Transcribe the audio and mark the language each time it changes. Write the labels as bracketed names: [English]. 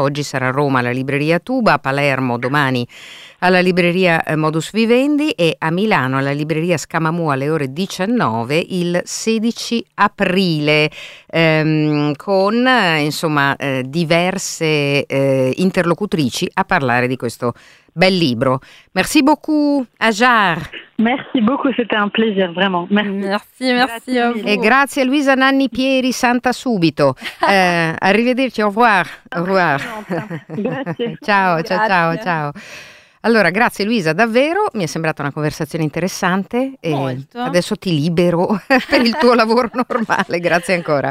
[Italian] Oggi sarà a Roma alla libreria Tuba, a Palermo domani alla libreria Modus Vivendi e a Milano alla libreria Scamamù alle ore 19 il 16 aprile, con insomma diverse interlocutrici a parlare di questo bel libro. [French] Merci beaucoup, Hajar. Merci beaucoup, c'était un plaisir, vraiment. Merci a vous. [Italian] E grazie a Luisa Nanni Pieri, santa subito. arrivederci, [French] au revoir. [Italian] Grazie. Ciao. Allora, grazie Luisa, davvero, mi è sembrata una conversazione interessante e molto. Adesso ti libero per il tuo lavoro normale, grazie ancora.